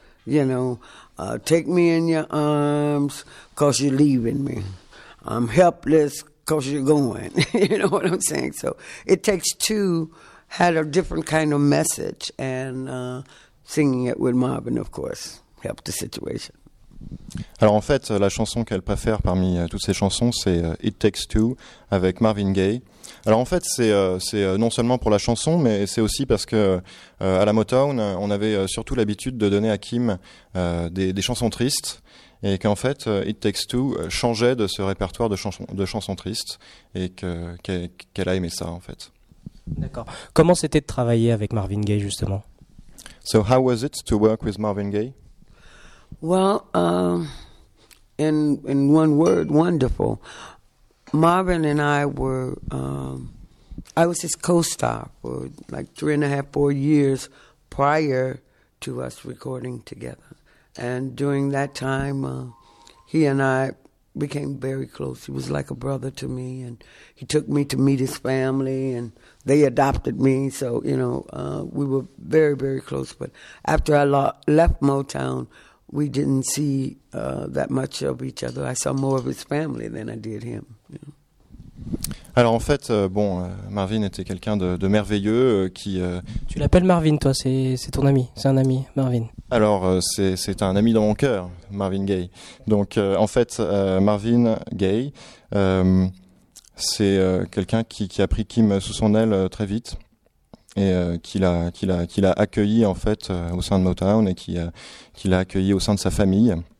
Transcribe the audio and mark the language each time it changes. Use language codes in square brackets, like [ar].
[en] You know, Take Me In Your Arms, 'cause you're leaving me. I'm helpless, 'cause you're going. You know what I'm saying? So It Takes Two had a different kind of message, and singing it with Marvin, of course, helped the situation. [fr] Alors en fait, la chanson qu'elle préfère parmi toutes ses chansons, c'est It Takes Two avec Marvin Gaye. Alors en fait, c'est non seulement pour la chanson, mais c'est aussi parce que à la Motown, on avait surtout l'habitude de donner à Kim des chansons tristes, et qu'en fait, It Takes Two changeait de ce répertoire de chansons tristes, et qu'elle a aimé ça en fait. D'accord. Comment c'était de travailler avec Marvin Gaye justement? [en] So how was it to work with Marvin Gaye? Well, in one word, wonderful. Marvin and I were, I was his co-star for like 3.5-4 years prior to us recording together. And during that time, he and I became very close. He was like a brother to me, and he took me to meet his family, and they adopted me. So, you know, we were very, very close. But after I left Motown, we didn't see that much of each other. I saw more of his family than I did him. [fr] Alors en fait, bon, Marvin était quelqu'un de merveilleux qui. Tu l'appelles Marvin, toi, c'est ton ami, c'est un ami, Marvin. Alors c'est un ami dans mon cœur, Marvin Gaye. Donc en fait, Marvin Gaye, c'est quelqu'un qui a pris Kim sous son aile très vite et qui l'a accueilli en fait au sein de Motown et qui l'a accueilli au sein de sa famille.